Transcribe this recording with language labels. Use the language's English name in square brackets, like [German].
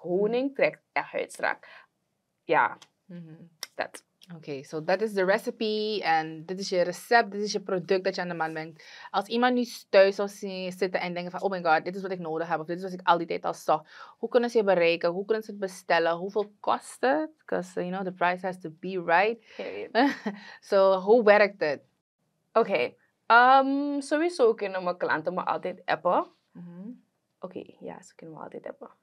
[Dutch] Honing trekt echt huid strak. Ja, dat. Oké, okay, [English] so that is the recipe [Dutch] en dit is je recept, dit is je product dat je aan de man brengt. Als iemand nu thuis zou zitten en denken van, [English] oh my god, [Dutch] dit is wat ik nodig heb, of dit is wat ik al die tijd al zag. Hoe kunnen ze je bereiken? Hoe kunnen ze het bestellen? Hoeveel kost het? [English] Because, you know, the price has to be right. [Dutch] So, hoe werkt het? Oké, sowieso kunnen mijn klanten me altijd appen. Oké, ja, ze kunnen me altijd appen.